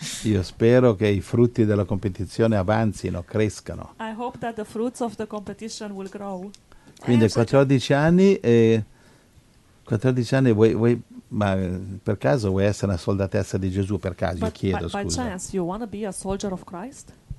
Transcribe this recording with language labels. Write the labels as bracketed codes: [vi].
[it] Io spero che i frutti della competizione avanzino, crescano. [en] I hope that the fruits of the competition will grow. [it] Quindi 14 anni e 14 anni vuoi, ma per caso vuoi essere una soldatessa di Gesù, per caso? [en] But [it] io chiedo, scusa. [en] By chance you want to be a soldier of Christ?